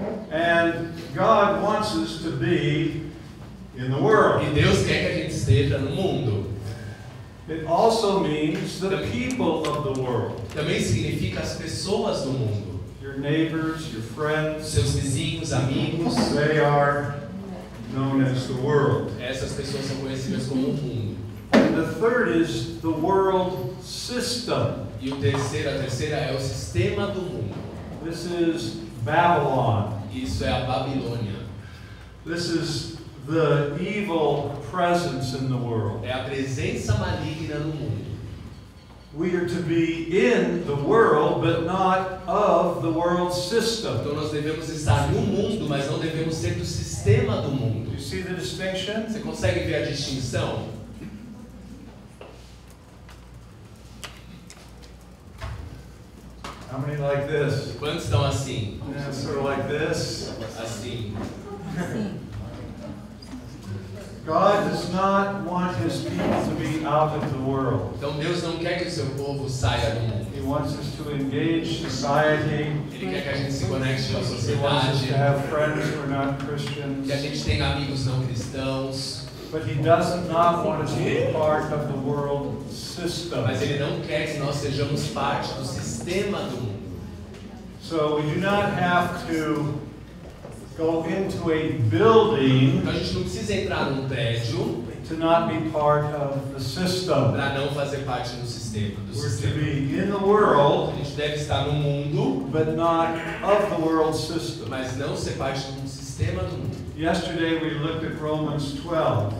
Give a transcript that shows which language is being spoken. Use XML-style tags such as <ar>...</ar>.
<en>And God wants us to be in the world.</en> <pt>E Deus quer que a gente esteja no mundo.</pt> <en>It also means the people of the world.</en> <pt>Também significa as pessoas do mundo.</pt> <en>Your neighbors, your friends.</en> <pt>Seus vizinhos, amigos.</pt> <en>They are known as the world.</en> <pt>Essas pessoas são conhecidas como o mundo.</pt> <en>And the third is the world system.</en> <pt>E o terceiro, a terceira é o sistema do mundo.</pt> <en>This is Babylon.</en> <pt>Isso é a Babilônia.</pt> <en>This is the evil presence in the world.</en> <pt>É a presença maligna no mundo.</pt> <en>We are to be in the world, but not of the world system.</en> <pt>Então nós devemos estar no mundo, mas não devemos ser do sistema do mundo.</pt> <en>You see the distinction?</en> <pt>Você consegue ver a distinção?</pt> <en>How many like this?</en> <pt>Quantos estão assim?</pt> <en>Yeah, sort of like this.</en> <pt>Assim.</pt> <en>God does not want his people to be out of the world.</en> <pt>Então Deus não quer que o seu povo saia do mundo.</pt> <en>He wants us to engage society.</en> <pt>Ele quer que a gente se conecte com a sociedade.</pt> <en>He wants us to have friends who are not Christians.</en> <pt>Que a gente tenha amigos não cristãos.</pt> <en>But he does not want us to be part of the world system.</en> <pt>Mas ele não quer que nós sejamos parte do sistema do mundo.</pt> <en>So we do not have to go into a building.</en> <pt>Então, a gente não precisa entrar num prédio.</pt> <en>To not be part of the system.</en> <pt>Para não fazer parte do sistema. Do</pt> <en>We're</en> <pt>sistema.</pt> <en>To be in the world.</en> <pt>A gente deve estar no mundo.</pt> <en>But not of the world system.</en> <pt>Mas não ser parte do sistema do mundo.</pt> <en>Yesterday we looked at Romans 12.</en>